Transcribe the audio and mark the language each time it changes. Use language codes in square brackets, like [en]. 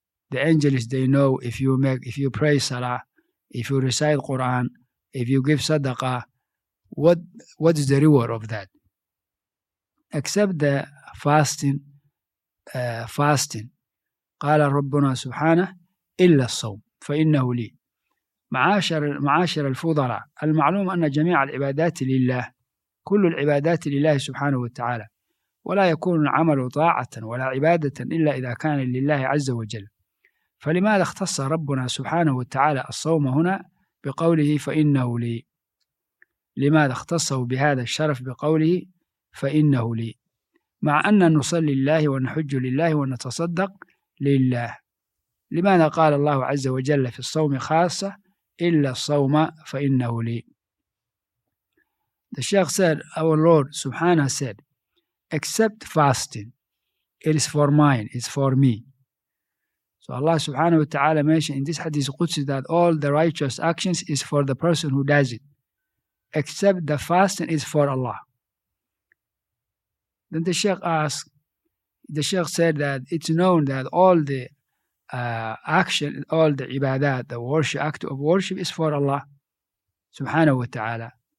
[en] The angels, they know if you pray salah, if you recite Quran, if you give sadaqah, what is the reward of that? Except the fasting, fasting. [ar] Qala Rabbuna subhanahu illa sawm, fa innahu li. معاشر الفضلاء, المعلوم أن جميع العبادات لله, كل العبادات لله سبحانه وتعالى, ولا يكون العمل طاعة ولا عبادة إلا إذا كان لله عز وجل. فلماذا اختص ربنا سبحانه وتعالى الصوم هنا بقوله فإنه لي؟ لماذا اختصه بهذا الشرف بقوله فإنه لي, مع أن نصلي لله ونحج لله ونتصدق لله؟ لماذا قال الله عز وجل في الصوم خاصة إلا الصوم فإنه لي؟ [en] The Sheikh said, our Lord Subhanahu said, except fasting, it is for mine, it's for me. So Allah Subhanahu wa Ta'ala mentioned in this hadith Qudsi that all the righteous actions is for the person who does it, except the fasting is for Allah. Then the Sheikh asked, the Sheikh said that it's known that all the action, all the ibadat, the worship, act of worship is for Allah subhanahu wa ta'ala.